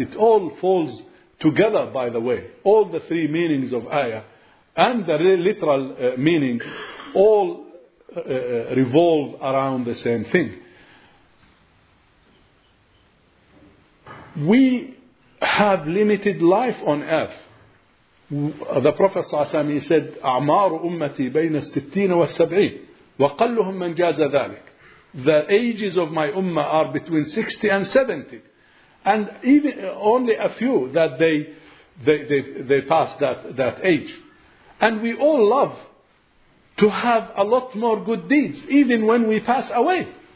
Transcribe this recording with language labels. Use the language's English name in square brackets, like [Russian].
[English] It all falls together, by the way. All the three meanings of ayah and the literal meaning all revolve around the same thing. We have limited life on earth. The Prophet ﷺ, he said, [Arabic] أَعْمَارُ أُمَّتِي بَيْنَ السِّتِّينَ وَالسَّبْعِينَ وَقَلُّهُمْ مَنْ جَازَ ذَلِكَ. [English] The ages of my ummah are between 60 and 70. And even only a few that they pass that age. And we all love to have a lot more good deeds, even when we pass away.